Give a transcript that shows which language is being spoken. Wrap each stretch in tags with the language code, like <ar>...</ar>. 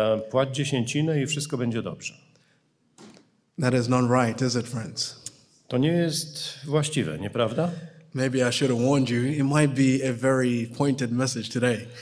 <pl>Płać dziesięcinę i wszystko będzie dobrze.</pl> <en>That is not right, is it, friends?</en> <pl>To nie jest właściwe, nieprawda?</pl> <en>Maybe I should have warned you. It might be a very pointed message today.</en>